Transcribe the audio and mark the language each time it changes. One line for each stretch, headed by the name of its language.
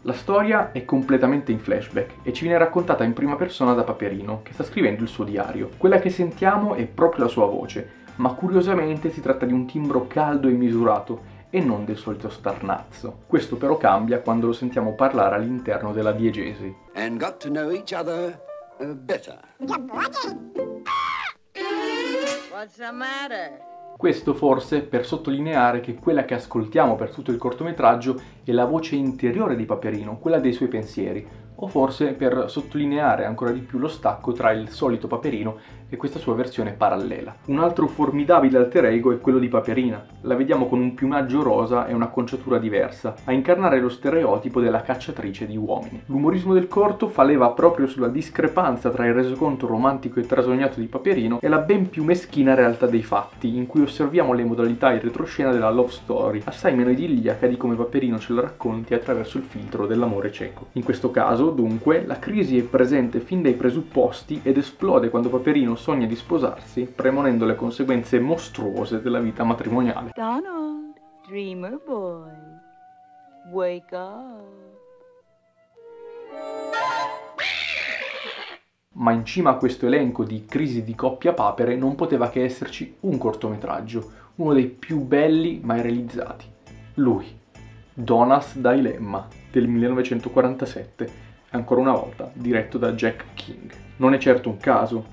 Italian: La storia è completamente in flashback e ci viene raccontata in prima persona da Paperino, che sta scrivendo il suo diario. Quella che sentiamo è proprio la sua voce, ma curiosamente si tratta di un timbro caldo e misurato, e non del solito starnazzo. Questo però cambia quando lo sentiamo parlare all'interno della diegesi.
English: And got to know each other better. What's the matter?
Italian: Questo forse per sottolineare che quella che ascoltiamo per tutto il cortometraggio è la voce interiore di Paperino, quella dei suoi pensieri, o forse per sottolineare ancora di più lo stacco tra il solito Paperino e questa sua versione parallela. Un altro formidabile alter ego è quello di Paperina. La vediamo con un piumaggio rosa e un'acconciatura diversa, a incarnare lo stereotipo della cacciatrice di uomini. L'umorismo del corto fa leva proprio sulla discrepanza tra il resoconto romantico e trasognato di Paperino e la ben più meschina realtà dei fatti, in cui osserviamo le modalità in retroscena della love story, assai meno idilliaca di come Paperino ce la racconti attraverso il filtro dell'amore cieco. In questo caso, dunque, la crisi è presente fin dai presupposti ed esplode quando Paperino sogna di sposarsi, premonendo le conseguenze mostruose della vita matrimoniale.
English: Donald, dreamer boy, wake up.
Italian: Ma in cima a questo elenco di crisi di coppia papere non poteva che esserci un cortometraggio, uno dei più belli mai realizzati. Lui, Donna's Dilemma, del 1947. Ancora una volta, diretto da Jack King. Non è certo un caso.